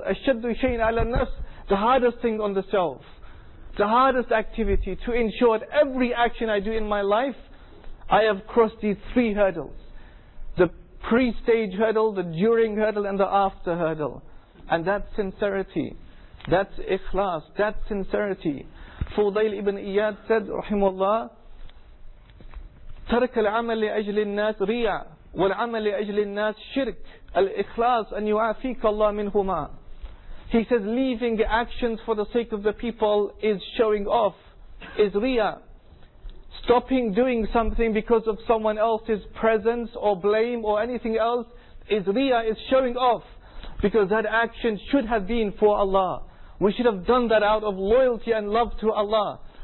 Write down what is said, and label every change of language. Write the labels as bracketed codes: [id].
[ar] أَشَدُّ شَيْءٍ عَلَى النَّفْسِ, [en] the hardest thing on the self. The hardest activity to ensure that every action I do in my life, I have crossed these three hurdles. The pre-stage hurdle, the during hurdle, and the after hurdle. And that's sincerity. That's ikhlas. That's sincerity. Fudayl ibn Iyad said, rahimahullah, [ar] تَرَكَ الْعَمَلِ لِأَجْلِ النَّاسِ رِيَعَ وَالْعَمَلِ لِأَجْلِ النَّاسِ شِرْكَ الْإِخْلَاصُ أَنْ يُعَافِيكَ اللَّهُ مِنْهُمَا. [en] He says, leaving actions for the sake of the people is showing off, is riya. Stopping doing something because of someone else's presence or blame or anything else is riya, is showing off. Because that action should have been for Allah. We should have done that out of loyalty and love to Allah.